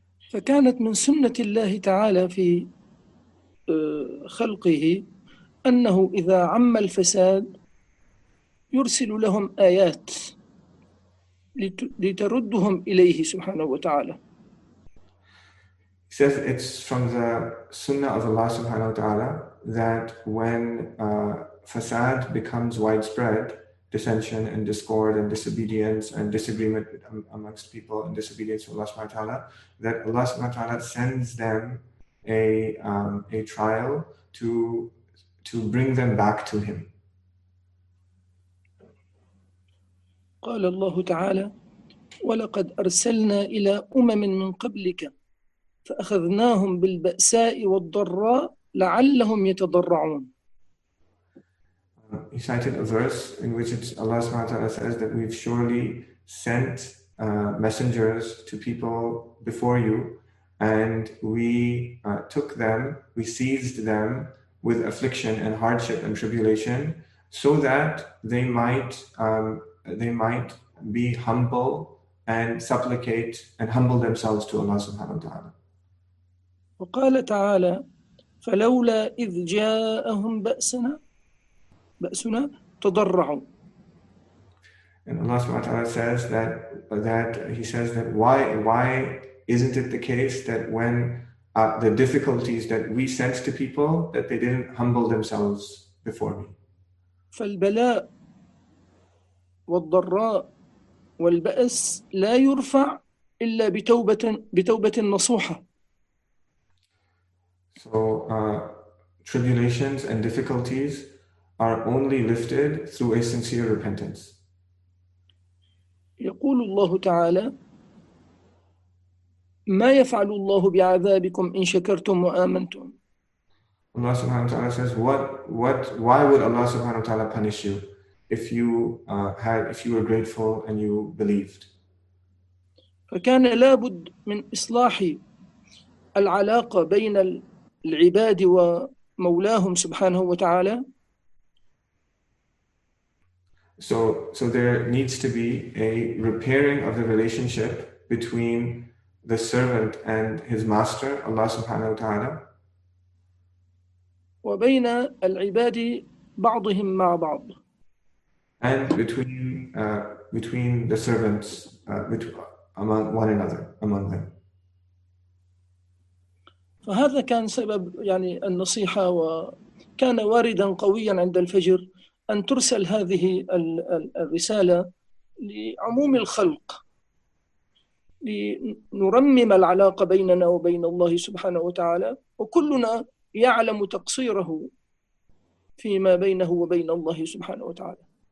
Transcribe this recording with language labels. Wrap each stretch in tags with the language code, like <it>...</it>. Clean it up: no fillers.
<ar>فكانت من سنة الله تعالى في خلقه أنه إذا عم الفساد يرسل لهم آيات لتردهم إليه سبحانه وتعالى.</ar> <en>He says it's from the sunnah of Allah subhanahu wa ta'ala that when fasad becomes widespread, dissension and discord and disobedience and disagreement amongst people and disobedience to Allah subhanahu wa ta'ala, that Allah subhanahu wa ta'ala sends them a trial to bring them back to Him.</en> <ar>قال الله تعالى: ولقد أرسلنا إلى أمم من قبلك فأخذناهم بالبأساء والضراء لعلهم يتضرعون.</ar> <en>He cited a verse in which it's Allah subhanahu wa ta'ala says that we've surely sent messengers to people before you, and we took them, we seized them with affliction and hardship and tribulation so that they might be humble and supplicate and humble themselves to Allah subhanahu wa ta'ala.</en> <ar>وقال تعالى: فلولا إذ جاءهم بأسنا تضرعوا.</ar> <en>And Allah subhanahu wa ta'ala says that why isn't it the case that when the difficulties that we sent to people that they didn't humble themselves before me.</en> <ar>فالبلاء والضراء والبأس لا يرفع إلا بتوبة نصوحة.</ar> <en>So tribulations and difficulties are only lifted through a sincere repentance.</en> <ar>يقول الله تعالى: ما يفعل الله بعذابكم إن شكرتم وآمنتم.</ar> <en>Allah subhanahu wa ta'ala says, why would Allah subhanahu wa ta'ala punish you if you were grateful and you believed?</en> <ar>فكان لابد من إصلاح العلاقة بين العباد ومولاهم سبحانه وتعالى.</ar> <en>So there needs to be a repairing of the relationship between the servant and his master, Allah subhanahu wa ta'ala.</en> <ar>وبين العباد بعضهم مع بعض.</ar> <en>And between the servants, among one another, among them.</en> <ar>فهذا كان سبب يعني النصيحة كان واردا قويا عند الفجر أن ترسل هذه الرسالة لعموم الخلق، لنرمم العلاقة بيننا وبين الله سبحانه وتعالى، وكلنا يعلم تقصيره فيما بينه وبين الله سبحانه وتعالى.</ar>